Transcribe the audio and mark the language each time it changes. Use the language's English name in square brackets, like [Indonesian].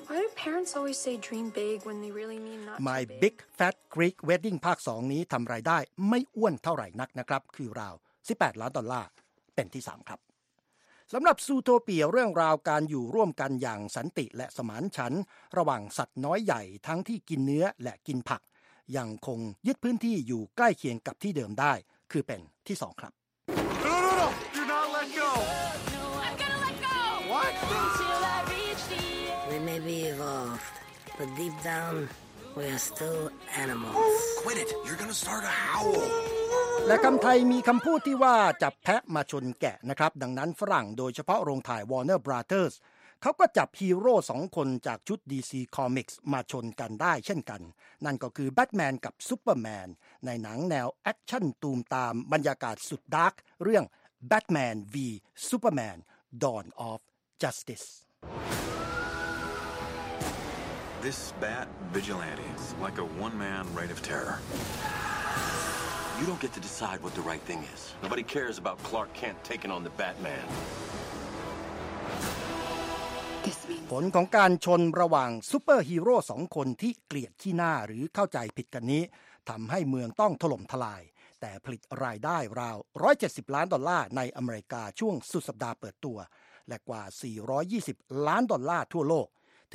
[English] Why do parents always say dream big when they really mean not too big? [Thai] My Big Fat Greek Wedding ภาค2นี้ทำรายได้ไม่อ้วนเท่าไหร่นักนะครับคือราว18ล้านดอลลาร์เป็นที่3ครับสำหรับซูโทเปียเรื่องราวการอยู่ร่วมกันอย่างสันติและสมานฉันท์ระหว่างสัตว์น้อยใหญ่ทั้งที่กินเนื้อและกินผักยังคงยึดพื้นที่อยู่ใกล้เคียงกับที่เดิมได้คือเป็นที่2ครับ No. [English] Do not let goWe may be evolved, but deep down, we are still animals. Quit it! You're gonna start a howl. [Thai] และคำไทยมีคำพูดที่ว่าจับแพะมาชนแกะนะครับดังนั้นฝรั่งโดยเฉพาะโรงถ่าย Warner Brothers เขาก็จับฮีโร่สองคนจากชุด DC Comics มาชนกันได้เช่นกันนั่นก็คือ Batman กับ Superman ในหนังแนวแอคชั่นตูมตามบรรยากาศสุดดาร์กเรื่อง Batman v Superman Dawn ofJustice. [English] This bat vigilante is like a one-man reign of terror. You don't get to decide what the right thing is. Nobody cares about Clark Kent taking on the Batman. [Thai] ผลของการชนระหว่างซูเปอร์ฮีโร่สองคนที่เกลียดขี้หน้าหรือเข้าใจผิดกันนี้ทำให้เมืองต้องถล่มทลายแต่ผลิตรายได้ราว170ล้านดอลลาร์ในอเมริกาช่วงสุดสัปดาห์เปิดตัวและกว่า420ล้านดอลลาร์ทั่วโลกเ